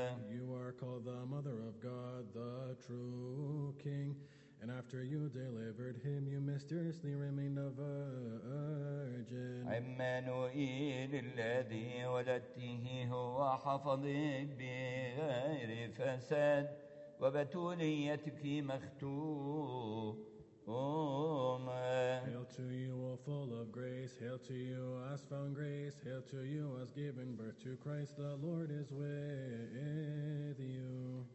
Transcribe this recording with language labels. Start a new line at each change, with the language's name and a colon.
English: You are called the Mother of God, the true King. And after you delivered him, you mysteriously remained a virgin.
Arabic: عمانوئيل الذي ولدته هو حفظك بغير فساد وبتوليتك مختوم.
English: Hail to you, O full of grace. Hail to you, as found grace. Hail to you, as given birth to Christ. The Lord is with you.